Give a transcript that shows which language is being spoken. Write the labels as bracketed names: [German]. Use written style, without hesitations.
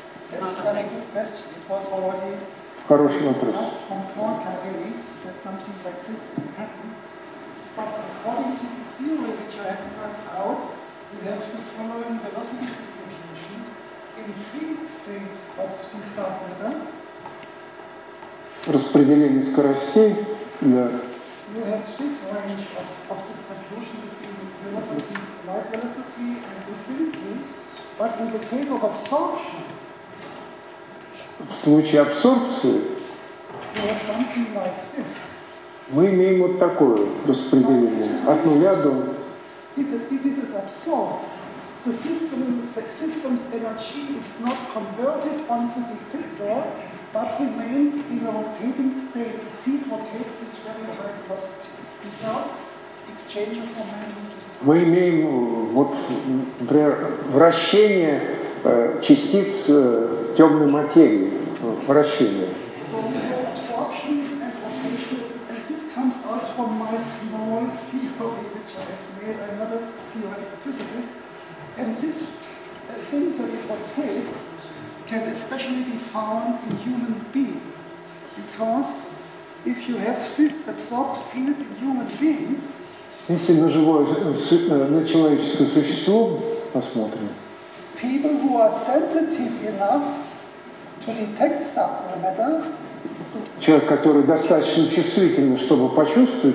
[English] That's a very good question. It was already asked from Planck, I believe, that something like this can happen. But according to the theory which I have worked out, we have the following velocity distribution. In free state of the dark matter, [Russian] распределение скоростей, да. [English] You have this range of distribution between velocity, light velocity and infinity, but in the case of absorption, [Russian] в случае абсорбции, [English] you have something like this. [Russian] Мы имеем вот такое распределение, от нуля до... [English] If it is absorbed, the system's energy is not converted on the detector, but remains in a rotating state. The feed rotates with very high velocity without exchange of momentum. [Russian] Мы имеем вот, например, вращение частиц темной материи. Вращение. [English] So we have absorption and rotation, and this comes out from my small theory which I have made. I'm not a theoretical physicist. And this thing that it rotates can especially be found in human beings, because if you have this absorbed field in human beings, [Russian] если на живое, на человеческое существо посмотрим, [English] people who are sensitive enough to detect subtle matter, [Russian] человек, который достаточно чувствительный, чтобы почувствовать